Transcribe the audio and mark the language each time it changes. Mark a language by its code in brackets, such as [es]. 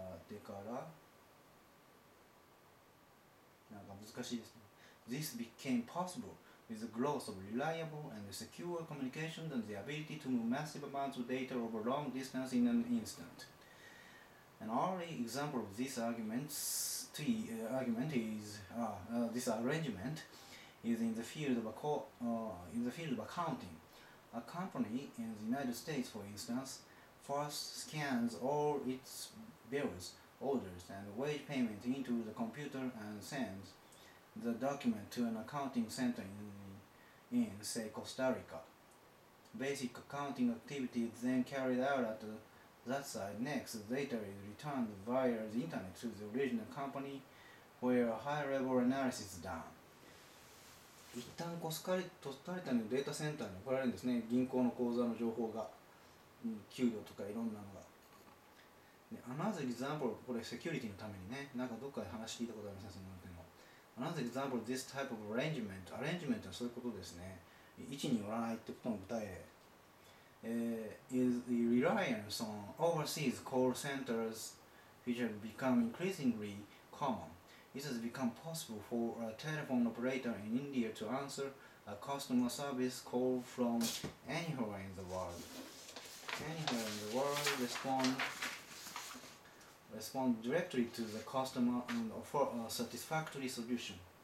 [ja] でから、なんか難しいですね。 [en] This became possible with the growth of reliable and secure communication and the ability to move massive amounts of data over long distance in an instant. An early example of this argument is this arrangement is in the field of accounting. A company in the United States, for instance, first scans all its bills, orders, and wage payments into the computer and sends the document to an accounting center in say, Costa Rica. Basic accounting activity is then carried out at that site. Next, the data is returned via the internet to the original company where a high-level analysis is done. [ja] 一旦コスタリカのデータセンターに送られるんですね。銀行の口座の情報が、給料とかいろんなのが。 [en] Another example, [ja] これセキュリティのためにね、なんかどっかで話聞いたことありません、そのなんての。 [en] Another example, this type of arrangement. Arrangement [ja] はそういうことですね。位置によらないってことの具体例。 [en] Is the reliance on overseas call centers, which have become increasingly common. It has become possible for a telephone operator in India to answer a customer service call from anywhere in the world. Anywhere in the world, respond directly to the customer and offer a satisfactory solution.